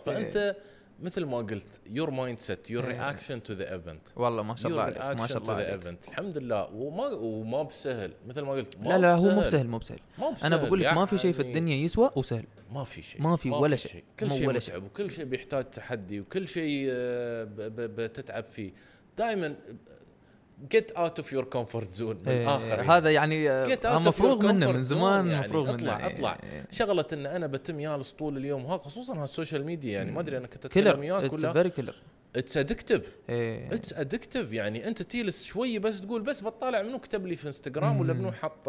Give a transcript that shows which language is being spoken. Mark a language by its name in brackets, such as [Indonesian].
[Arabic] فانت مثل ما قلت، [English] Your mindset, your reaction to the event. [Arabic] والله ما شاء الله عليك، ما شاء الله عليك. الحمد لله. وما بسهل مثل ما قلت. ما لا لا هو مو بسهل، مو بسهل. انا بقول لك ما في شيء في الدنيا يسوى وسهل، ما في شيء، ما في ولا شيء. كل شيء متعب، وكل شيء بيحتاج تحدي، وكل شيء بتتعب فيه. [English] دائما get out of your comfort zone. [Arabic] من آخر هذا يعني مفروغ منه من زمان، مفروغ منه. اطلع اطلع شغلة ان انا بتم يالس طول اليوم، وها خصوصا هالسوشال ميديا يعني. ما ادري انا كنت اتكلم وياك كلها. [English] It's very killer. It's addictive. It's addictive. [Arabic] يعني انت تيلس شوي بس تقول بس بطالع منو كتب لي في انستغرام ولا منو حط،